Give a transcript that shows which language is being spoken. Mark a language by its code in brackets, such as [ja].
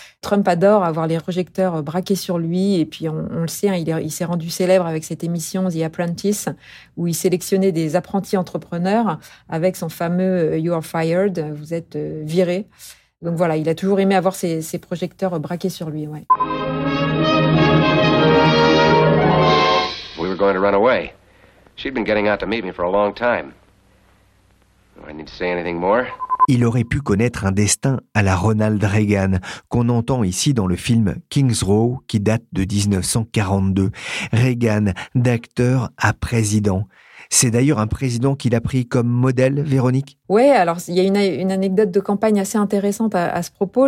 [fr] Trump adore avoir les projecteurs braqués sur lui. Et puis, on le sait, il s'est rendu célèbre avec cette émission The Apprentice, où il sélectionnait des apprentis entrepreneurs avec son fameux « [en] You are fired [fr] », « Vous êtes viré ». Donc voilà, il a toujours aimé avoir ses projecteurs braqués sur lui. Ouais. [en] We were going to run away. She'd been getting out to meet me for a long time. I need to say anything more. [fr] Il aurait pu connaître un destin à la Ronald Reagan, qu'on entend ici dans le film King's Row, qui date de 1942. Reagan, d'acteur à président. C'est d'ailleurs un président qu'il a pris comme modèle, Véronique? Oui, alors il y a une anecdote de campagne assez intéressante à ce propos.